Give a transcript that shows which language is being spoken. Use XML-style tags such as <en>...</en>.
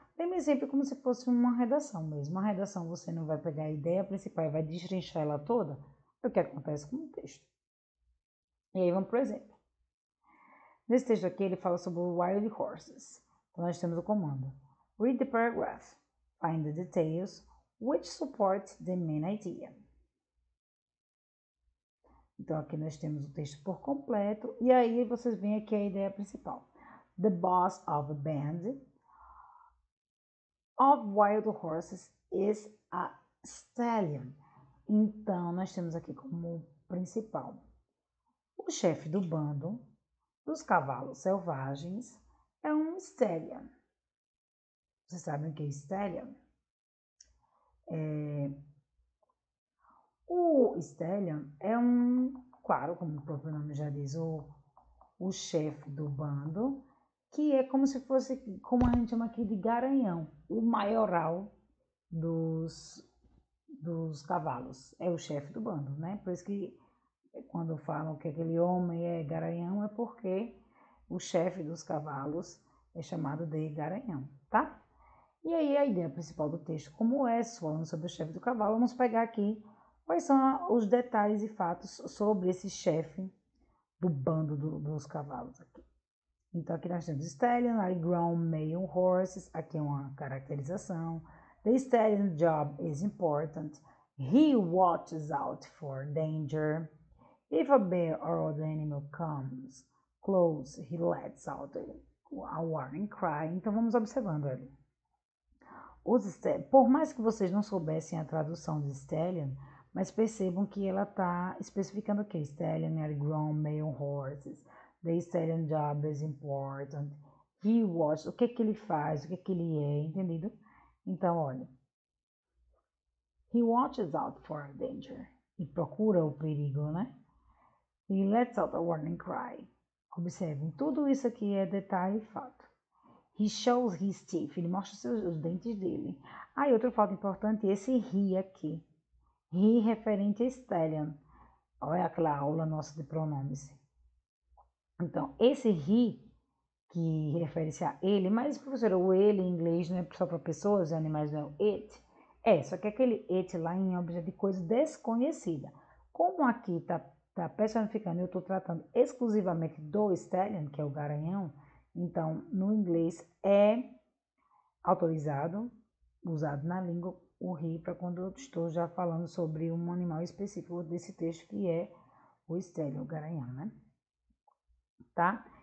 <pt>Lembre-se sempre como se fosse uma redação mesmo. Uma redação, você não vai pegar a ideia principal e vai destrinchar ela toda. O que acontece com o texto. E aí vamos para o exemplo. Nesse texto aqui, ele fala sobre wild horses. Então, nós temos o comando.</pt> <en>Read the paragraph. Find the details which support the main idea.</en> <pt>Então, aqui nós temos o texto por completo. E aí, vocês veem aqui a ideia principal.</pt> <en>The boss of a band of wild horses is a stallion.</en> <pt>Então, nós temos aqui como principal, o chefe do bando dos cavalos selvagens é um stallion. Vocês sabem o que é stallion? O stallion é um, claro, como o próprio nome já diz, o chefe do bando, que é como se fosse, como a gente chama aqui de garanhão, o maioral dos cavalos, é o chefe do bando, né? Por isso que quando falam que aquele homem é garanhão, é porque o chefe dos cavalos é chamado de garanhão, tá? E aí a ideia principal do texto, como é, falando sobre o chefe do cavalo, vamos pegar aqui quais são os detalhes e fatos sobre esse chefe do bando dos cavalos aqui. Então aqui nós temos stallion,</pt> <en>I grown male horses,</en> <pt>aqui é uma caracterização.</pt> <en>The stallion's job is important. He watches out for danger. If a bear or other animal comes close, he lets out a warning cry.</en> <pt>Então, vamos observando ali. Por mais que vocês não soubessem a tradução de stallion, mas percebam que ela está especificando o que?</pt> <en>Stallion are grown male horses. The stallion's job is important. He watches.</en> <pt>O que que ele faz? O que que ele é? Entendido? Então, olha.</pt> <en>He watches out for a danger.</en> <pt>E procura o perigo, né?</pt> <en>He lets out a warning cry.</en> <pt>Observem, tudo isso aqui é detalhe e fato.</pt> <en>He shows his teeth.</en> <pt>Ele mostra os dentes dele. Aí, outro fato importante, esse he aqui. He referente a stallion. Olha aquela aula nossa de pronomes. Então, esse he, que refere-se a ele, mas, professor, o ele em inglês não é só para pessoas e animais, não é o it. Só que aquele it lá em objeto de coisa desconhecida. Como aqui tá personificando, eu estou tratando exclusivamente do stallion, que é o garanhão, então, no inglês é autorizado, usado na língua, o he, para quando eu estou já falando sobre um animal específico desse texto, que é o stallion, o garanhão, né? Tá?</pt>